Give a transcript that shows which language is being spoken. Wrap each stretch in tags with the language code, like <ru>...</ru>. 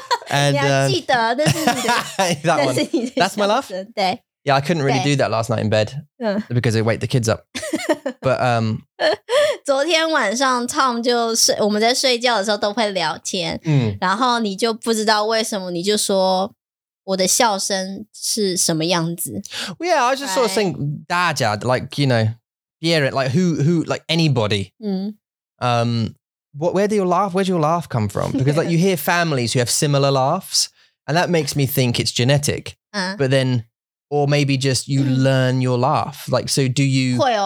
<en>And that's my laugh? Yeah, I couldn't really do that last night in bed because it waked the kids up. But,</en> <zh>昨天晚上 Tom 就睡，我们在睡觉的时候都会聊天，嗯，然后你就不知道为什么你就说我的笑声是什么样子。</zh> <en>Well, yeah, I just sort of think</en> <zh>大家</zh> <en>like, you know,</en> <zh>别人</zh> <en>like who, like anybody. 嗯。 Where do your laugh, where's your laugh come from? Because like you hear families who have similar laughs and that makes me think it's genetic. But then, or maybe just you learn your laugh. Like, so do you...</en>